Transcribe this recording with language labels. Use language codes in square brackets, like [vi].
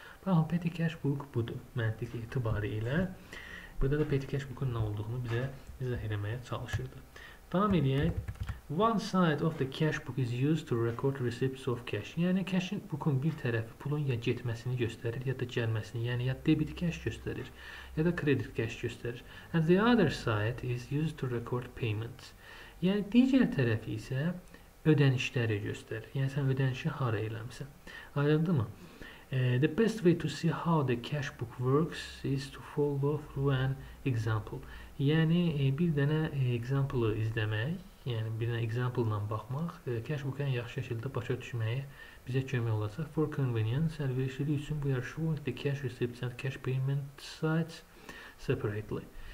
[az] Baxın, Petty Cashbook budur məntiq etibarilə. Burada da Petty Cashbook-un nə olduğunu bizə izah eləməyə çalışırdı. Davam edək. [en] One side of the cash book is used to record receipts of cash. [az] Yəni cash book-un bir tərəfi pulun ya getməsini göstərir, ya da gəlməsini, yəni ya debit cash göstərir, ya da kredit cash göstərir. [en] And the other side is used to record payments. [az] Yəni digər tərəfi isə ödənişləri göstərir. Yəni sən ödənişi hara eləmisən. Ayrıldımı? [en] The best way to see how the cash book works is to follow through an example. [az] Yəni bir dənə example-ı izləmək. Yəni bir example-la baxmaq, cashbook-u ən yaxşı şəkildə başa düşməyə bizə kömək olacaq. [en] For convenience, [az] əlverişliliyi üçün [en] we are showing the cash receipts and cash payment sites separately.